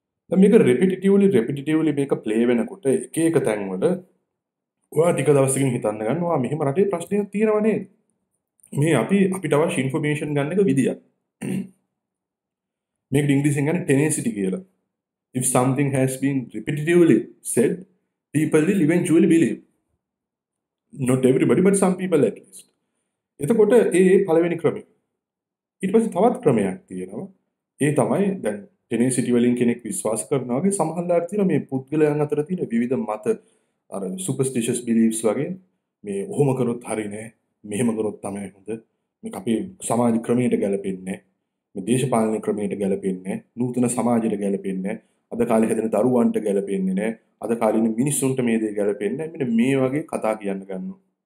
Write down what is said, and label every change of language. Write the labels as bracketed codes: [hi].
[si] දැන් මේක රෙපිටිටිව්ලි මේක ප්ලේ වෙනකොට එක එක තැන්වල ඔයා ටික දවසකින් හිතන්න ගන්නවා මෙහෙම රටේ ප්‍රශ්නයක් තියෙනවා නේද? මේ අපිට අවශ්‍ය ඉන්ෆර්මේෂන් ගන්න එක විදියක්. මේකට ඉංග්‍රීසියෙන් කියන්නේ ටෙනසිටි කියලා. [en] If something has been repetitively said, people will eventually believe. Not everybody, but some people at least. [si] එතකොට ඒ පළවෙනි ක්‍රමය. ඊට පස්සේ තවත් ක්‍රමයක් තියෙනවා. ඒ තමයි දැන් ටෙනසිටි වලින් කෙනෙක් විශ්වාස කරනවා වගේ සමහරවල් තියෙන මේ පුද්ගලයන් අතර තියෙන විවිධ මත, අර superstitious beliefs වගේ. මේ ඔහොම කරොත් හරිනේ, මෙහෙම කරොත් තමයි හොඳ, මේක අපේ සමාජ ක්‍රමයට ගැලපෙන්නේ, මේ දේශපාලන ක්‍රමයට ගැලපෙන්නේ, නූතන සමාජයට ගැලපෙන්නේ, අද කාලේ හදන දරුවන්ට ගැලපෙන්නේ නැහැ, අද කාලේ මිනිස්සුන්ට මේ දේ ගැලපෙන්නේ නැහැ, මෙන්න මේ වගේ කතා කියන්න ගන්නවා.